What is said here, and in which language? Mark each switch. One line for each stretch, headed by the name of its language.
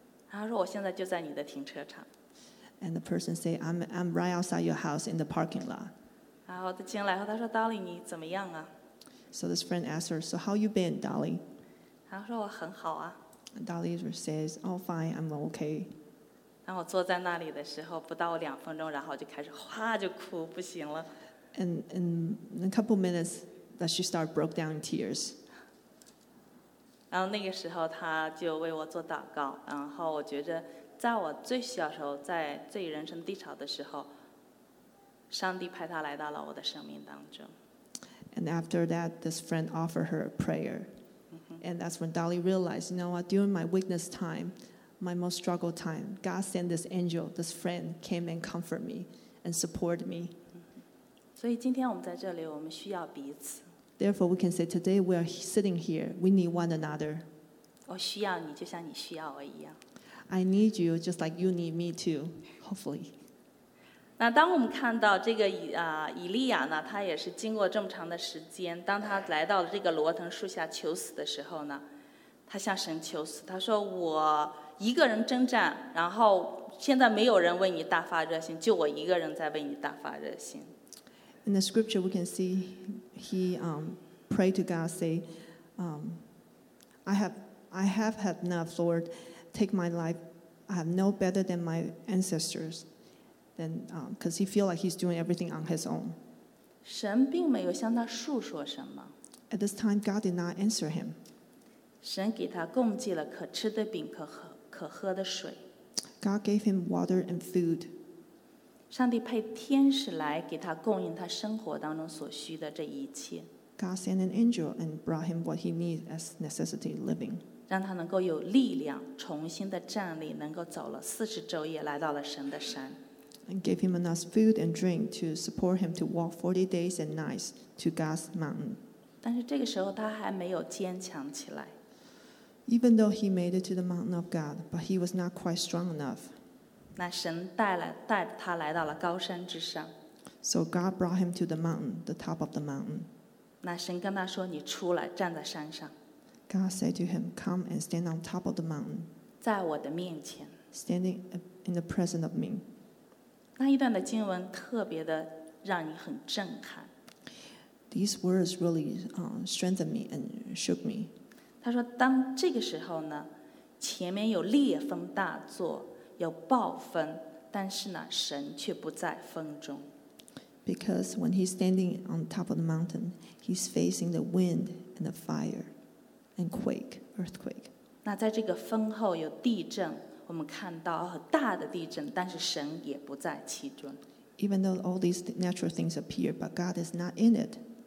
Chinese: 然后说我现在就在你的停车场。
English: And the person say, I'm right outside your house in the parking lot.
Chinese: 然后他进来后，他说 ，Dolly， 你怎么样啊
English: ？So this friend asked her, so how you been, Dolly?
Chinese: 然后说我很好啊。
English: And Dolly says, oh fine, I'm okay.
Chinese: 然后我坐在那里的时候，不到两分钟，然后就开始哗就哭不行了。
English: And in a couple minutes, that she start broke down in tears.
Chinese: 然后那个时候，他就为我做祷告。然后我觉着，在我最小时候，在最人生低潮的时候，上帝派他来到了我的生命当中。
English: And after that, this friend offered her a prayer. And that's when Dolly realized, you know what, during my weakness time, my most struggle time, God sent this angel, this friend, came and comfort me and support me.
Chinese: 所以今天我们在这里，我们需要彼此。
English: Therefore, we can say today we are sitting here. We need one another.
Chinese: 我需要你，就像你需要我一样。
English: I need you just like you need me too, hopefully.
Chinese: 那当我们看到这个以利亚呢，他也是经过这么长的时间，当他来到了这个罗藤树下求死的时候呢，他向神求死，他说我一个人征战，然后现在没有人为你大发热心，就我一个人在为你大发热心。
English: In the scripture, we can see he prayed to God, say, I have had enough, Lord. Take my life. I have no better than my ancestors. Then, because he feels like he's doing everything on his own.
Chinese: 神并没有向他述说什么。
English: At this time, God did not answer him.
Chinese: 神给他供给了可吃的饼和可喝的水。
English: God gave him water and food.
Chinese: 上帝派天使来给他供应他生活当中所需的这一切。
English: God sent an angel and brought him what he needs as necessity living.
Chinese: 让他能够有力量，重新的站立，能够走了40昼夜，来到了神的山。
English: And gave him enough food and drink to support him to walk 40 days and nights to God's mountain.
Chinese: 但是这个时候他还没有坚强起来。
English: Even though he made it to the mountain of God, but he was not quite strong enough.
Chinese: 那神带他来到了高山之上。
English: So God brought him to the mountain, the top of the mountain.
Chinese: 那神跟他说，你出来，站在山上。
English: God said to him, come and stand on top of the mountain.
Chinese: 在我的面前。
English: Standing in the presence of me.
Chinese: 那一段的经文特别的让你很震撼。
English: These words really strengthened me and shook me.
Chinese: 他说当这个时候呢，前面有烈风大作，有暴风，但是呢，神却不在风中。
English: Because when he's standing on top of the mountain, he's facing the wind and the fire. And quake, earthquake.
Chinese: 那在这个风后有地震，我们看到大的地震，但是神也不在其中。
English: Even though all these natural things appear, but God is not in it.